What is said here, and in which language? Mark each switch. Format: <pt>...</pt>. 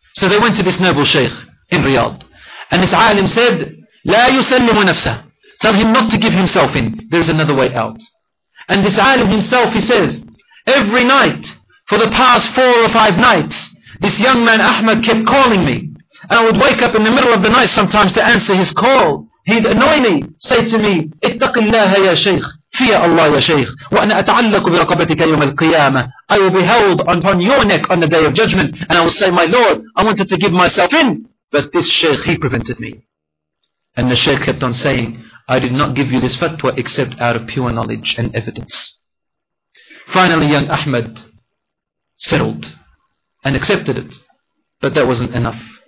<en>So they went to this noble Shaykh in Riyadh. And this alim said,</en> <ar>لا يسلم نفسه.</ar> <en>Tell him not to give himself in. There's another way out. And this alim himself, he says, every night for the past 4 or 5 nights, this young man Ahmed kept calling me. And I would wake up in the middle of the night sometimes to answer his call. He'd annoy me, say to me,</en> <ar>اتق الله يا شيخ,</ar> <en>fear Allah</en> <ar>يا شيخ, وأنا أتعلق برقبتك يوم القيامة.</ar> <en>I will be held upon your neck on the day of judgment. And I will say, my Lord, I wanted to give myself in, but this shaykh, he prevented me. And the shaykh kept on saying, I did not give you this fatwa except out of pure knowledge and evidence. Finally, young Ahmed settled and accepted it. But that wasn't enough.</en>